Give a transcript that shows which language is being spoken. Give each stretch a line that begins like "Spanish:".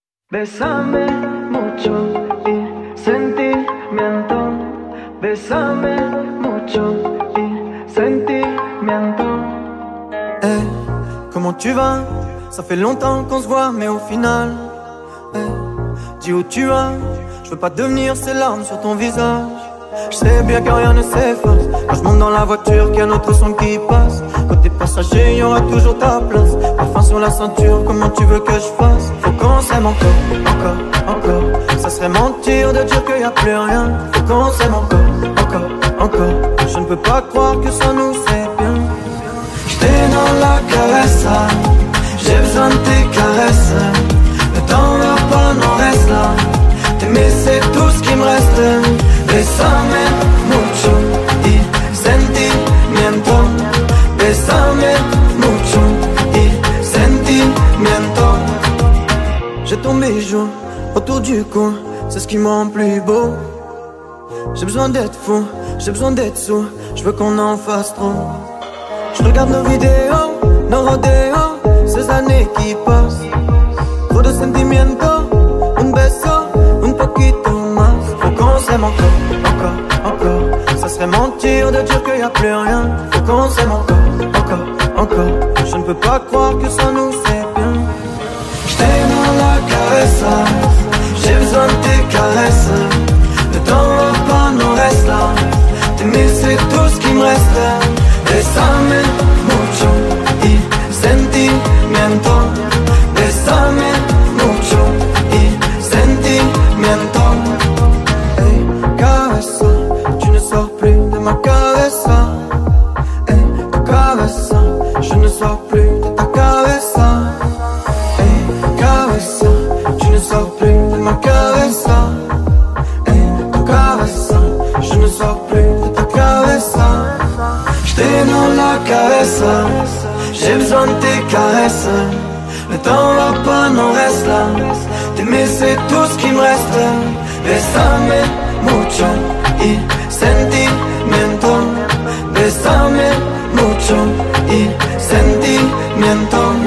Spanish: Bésame mucho y sentimiento. Bésame mucho y sentimiento.
French: Hey, comment tu vas? Ça fait longtemps qu'on se voit, mais au final, hey, dis où tu vas. Je veux pas devenir ces larmes sur ton visage. Je sais bien que rien ne s'efface. Quand je monte dans la voiture, qu'il y a un autre son qui passe. Côté passager, il y aura toujours ta place. Parfum sur la ceinture, comment tu veux que je fasse? Faut qu'on s'aime encore, encore, encore. Ça serait mentir dire de Dieu qu'il n'y a plus rien. Faut qu'on s'aime encore, encore, encore. Je ne peux pas croire que ça nous fait bien. J'étais dans la caresse, j'ai besoin de tes caresses. Le temps n'a pas, non, reste là. T'aimer, c'est tout ce qui me reste.
Spanish: Bésame, mucho, y sentimiento. Bésame, mucho, y sentimiento.
French: J'ai ton bijou autour du cou, c'est ce qui m'en plus beau. J'ai besoin d'être fou, j'ai besoin d'être sous. Je veux qu'on en fasse trop. Je regarde nos vidéos, nos rodéos, ces années qui passent. Trop de
Spanish: sentimiento, un beso, un poquito más.
French: Faut qu'on s'aime encore, encore, encore. Ça serait mentir de dire qu'il n'y a plus rien. Faut qu'on s'aime encore, encore, encore. Je ne peux pas croire que ça nous fait bien. J't'ai dans la caresse, j'ai besoin de tes caresses. Le temps va pas, nous reste là. T'aimer, c'est tout ce qui me reste.
Spanish: Bésame mucho y sentimiento. Bésame mucho y sentimiento.
French: Hey, caresse, tu ne sors plus de ma caresse. Hey, caresse, je ne sors plus de ta caresse. Hey, caresse, tu ne sors plus de ma caresse. Hey, caresse, je ne sors plus de ta caresse. J'étais dans la caresse, j'ai besoin de tes caresses. Le temps va pas, non, reste là. T'aimer, c'est tout ce qui me reste.
Spanish: Bésame mucho y sentimiento. Bésame mucho y sentimiento.